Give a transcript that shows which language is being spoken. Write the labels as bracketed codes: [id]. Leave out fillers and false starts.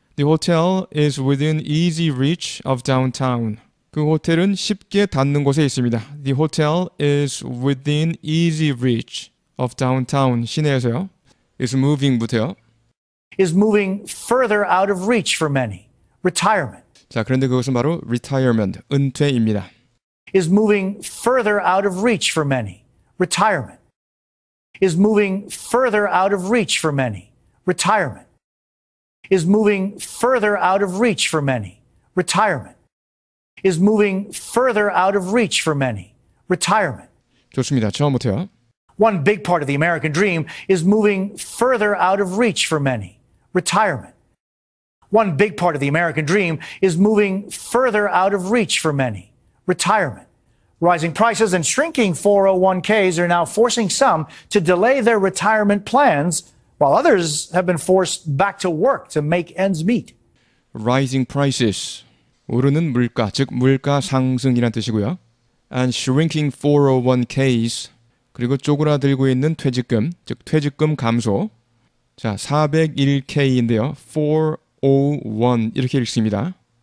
[en] The hotel is within easy reach of downtown. [ko] 그 호텔은 쉽게 닿는 곳에 있습니다. [en] The hotel is within easy reach of downtown. [ko] 시내에서요. [en] Is moving [ko] 부터요. [en] Is moving further out of reach for many. Retirement. [ko] 자, 그런데 그것은 바로 retirement, 은퇴입니다. [en] Is moving further out of reach for many. Retirement. Is moving further out of reach for many. Retirement. Is moving further out of reach for many. Retirement. Is moving further out of reach for many. Retirement. [ko] 좋습니다. 처음부터요. [en] One big part of the American dream is moving further out of reach for many. Retirement. One big part of the American dream is moving further out of reach for many. Retirement. Rising prices and shrinking 401ks are now forcing some to delay their retirement plans, while others have been forced back to work to make ends meet. Rising prices. [ko] 오르는 물가, 즉 물가 상승이란 뜻이고요. [en] And shrinking 401ks. [ko] 그리고 쪼그라들고 있는 퇴직금, 즉 퇴직금 감소. 자, 401k인데요. 401 이렇게 읽습니다.